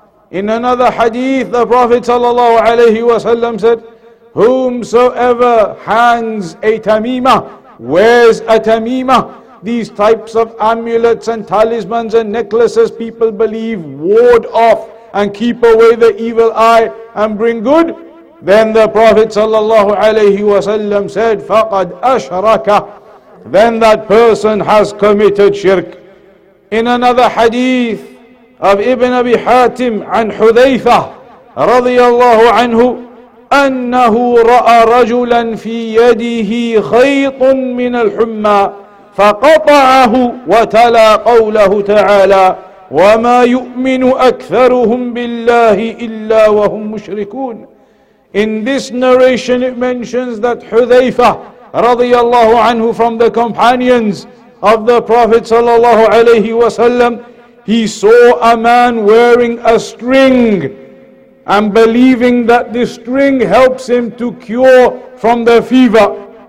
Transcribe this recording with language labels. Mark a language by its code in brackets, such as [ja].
[en] In another hadith, the Prophet sallallahu alayhi wa sallam said, whomsoever hangs a tamima, wears a tamima, these types of amulets and talismans and necklaces people believe ward off and keep away the evil eye and bring good, then the Prophet sallallahu alayhi wa sallam said, [ar] faqad ashraka, [en] then that person has committed shirk. In another hadith of Ibn Abi Hatim [ar] عن حذيفة رضي الله عنه أنه رأى رجلا في يده خيط من الحمى فقطعه وتلا قوله تعالى وما يؤمن أكثرهم بالله إلا وهم مشركون. [en] In this narration it mentions that حذيفة [ar] رضي الله عنه, [en] from the companions of the Prophet [ar] صلى الله عليه وسلم, [en] he saw a man wearing a string and believing that this string helps him to cure from the fever.